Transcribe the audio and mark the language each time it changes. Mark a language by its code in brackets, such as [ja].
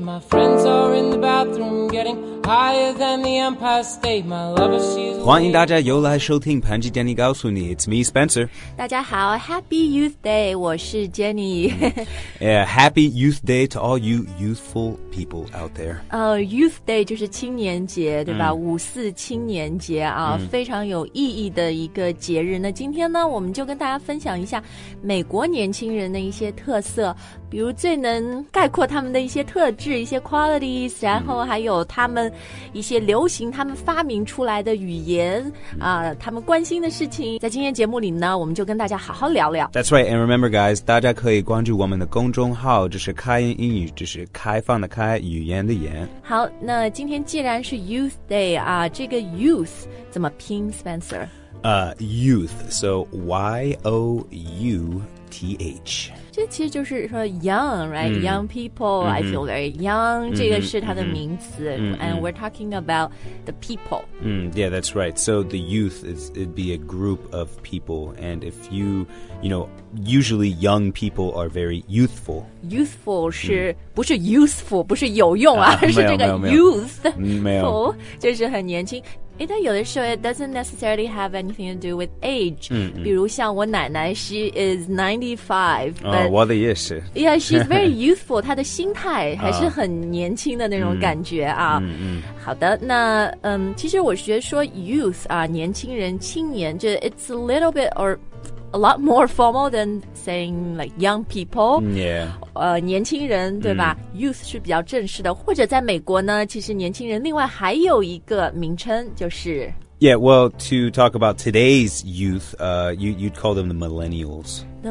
[en] My friends are in the bathroom getting higher than the Empire State. My lover, she's... [zh] 欢迎大家又来收听盘吉电力告诉你。 [en] It's me, Spencer. [zh] 大家好 , [en] Happy Youth Day, [zh] 我是 Jenny. [en] Happy Youth Day to all you youthful people out there. [zh] Youth Day 就是青年节对吧、五四青年节啊、非常有意义的一个节日。那今天呢我们就跟大家分享一下美国年轻人的一些特色，比如最能概括他们的一些特质，一些 qualities, 然后还有他们一些流行他们发明出来的语言啊、他们关心的事情。在今天节目里呢我们就跟大家好好聊聊。 [en] That's right, and remember guys, [zh] 大家可以关注我们的公众号，这是开言英语，这是开放的开，语言的言。好，那今天既然是 Youth Day 啊，这个 Youth 怎么拼 Spencer? [en] Youth, so Y-O-U-T-H. [zh] 这其实就是说 [en] young, right?、young people,、I feel very young,、 [zh] 这个是他的名词、 [en] and we're talking about the people.、 yeah, that's right. So the youth, it'd be a group of people. And if you, you know, usually young people are very youthful. [zh] Youthful 是、不是 youthful, 不是有用啊、是这个 youth. 没有。就是很年轻。但有的时候 [en] it doesn't necessarily have anything to do with age、 [zh] 比如像我奶奶 [en] she is 95 [zh] 我的也是 [en] yeah she's very youthful [zh] 她的心态还是很年轻的那种感觉啊。好的，那其实我觉得说 youth 啊，年轻人青年，就 [en] it's a little bit or a lot more formal than saying like young people、 [zh] 年轻人对吧、youth 是比较正式的，或者在美国呢其实年轻人另外还有一个名称就是 [en] yeah well to talk about today's youth you'd call them the millennials